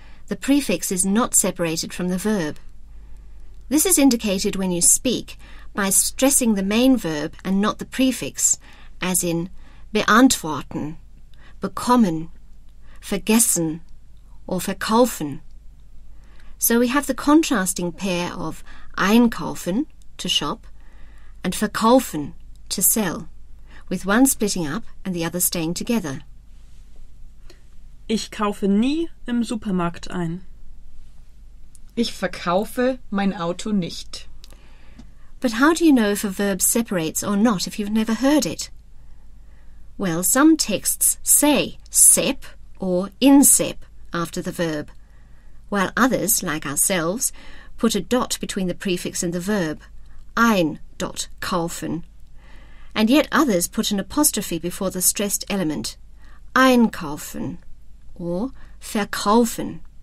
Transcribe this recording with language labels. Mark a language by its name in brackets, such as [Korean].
[English] The prefix is not separated from the verb. This is indicated when you speak by stressing the main verb and not the prefix, as in beantworten, bekommen, vergessen, or verkaufen. So we have the contrasting pair of einkaufen, to shop, and verkaufen, to sell, with one splitting up and the other staying together. [German] Ich kaufe nie im Supermarkt ein. Ich verkaufe mein Auto nicht. [English] But how do you know if a verb separates or not if you've never heard it? Well, some texts say sep or insep after the verb, while others, like ourselves, put a dot between the prefix and the verb, ein dot kaufen, and yet others put an apostrophe before the stressed element, einkaufen or verkaufen.